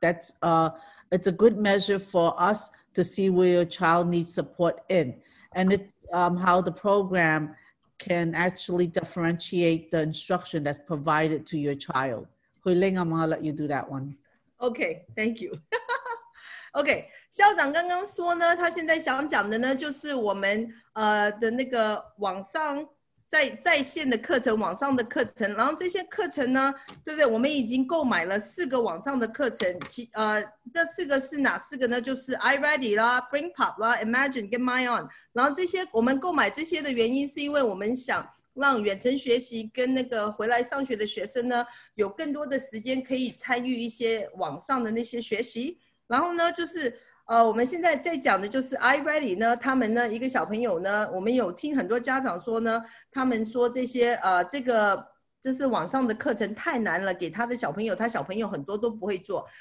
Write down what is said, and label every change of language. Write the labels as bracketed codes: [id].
[en] That's it's a good measure for us to see where your child needs support in. And it's how the program can actually differentiate the instruction that's provided to your child. Huiling, I'm gonna let you do that one. Okay, thank you. [zh] Okay, 校长刚刚说呢，他现在想讲的呢，就是我们的那个网上在线的课程，网上的课程，然后这些课程呢，对不对？我们已经购买了四个网上的课程，那四个是哪四个呢？就是 iReady 啦、Bring Pop 啦、Imagine 跟 My On。然后这些我们购买这些的原因，是因为我们想让远程学习跟那个回来上学的学生呢，有更多的时间可以参与一些网上的那些学习。然后呢，就是我们现在在讲的就是 iReady 呢，他们呢一个小朋友呢，我们有听很多家长说呢，他们说这些这个就是网上的课程太难了，给他的小朋友，他小朋友很多都不会做。